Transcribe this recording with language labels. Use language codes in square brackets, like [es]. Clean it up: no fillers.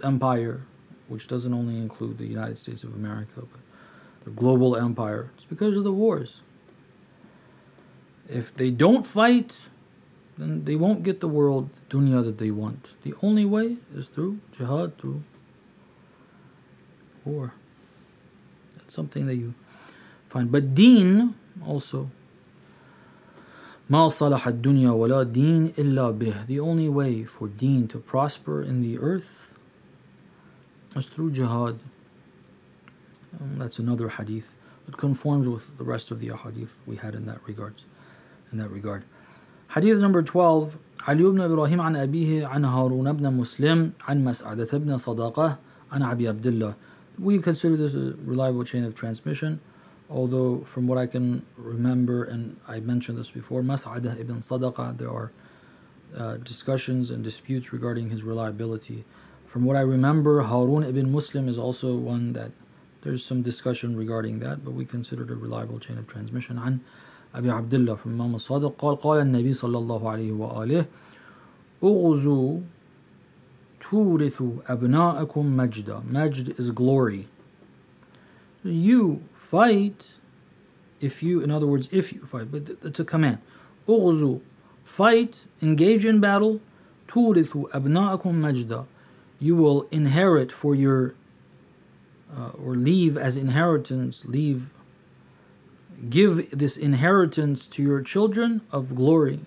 [en] empire, which doesn't only include the United States of America, but global empire, it's because of the wars. If they don't fight, then they won't get the world, the dunya that they want. The only way is through jihad, through war. That's something that you find. But deen also, [ar] مَا صَلَحَ الدُّنْيَا وَلَا دِينَ إِلَّا بِهِ. [en] The only way for deen to prosper in the earth is through jihad. That's another hadith that conforms with the rest of the ahadith we had in that regard. Hadith number 12. [ar] عَلِيُّ بْنَ إِبْرَاهِيمَ عَنْ أَبِيهِ عَنْ هَارُونَ بْنَ مُسْلِمٍ عَنْ مَسْعَدَةَ بْنَ صَدَاقَةَ عَنْ عَبِي عَبْدِ اللَّهِ. [en] We consider this a reliable chain of transmission, although from what I can remember, and I mentioned this before, Mas'adah ibn Sadaqah, there are discussions and disputes regarding his reliability. From what I remember, Harun ibn Muslim is also one that there's some discussion regarding that, but we consider it a reliable chain of transmission. [ar] An Abi Abdullah [en] from Imam al-Sadiq, [ar] قال النبي صلى الله عليه وآله, أغزو تورثوا أبناءكم مجدا. [en] Majd is glory. You fight, if you fight, but it's a command. Ughzu, fight, engage in battle. Turithu abna'akum majda, you will inherit for your, or leave as inheritance, leave, give this inheritance to your children of glory.